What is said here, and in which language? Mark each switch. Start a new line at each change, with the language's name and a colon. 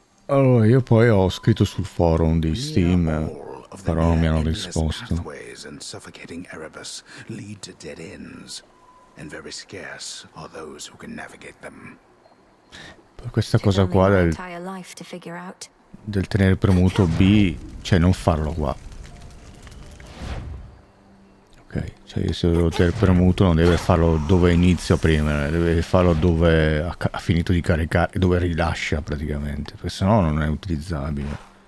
Italian: Allora, io poi ho scritto sul forum di Steam, però non mi hanno risposto.
English: And suffocating Erebus lead to dead ends, and very scarce are those who can navigate them.
Italian: Per questa cosa qua del tenere premuto B, cioè non farlo qua. Ok, cioè se devo tenere premuto non deve farlo dove inizia prima, deve farlo dove ha finito di caricare, dove rilascia praticamente, perché sennò non è utilizzabile.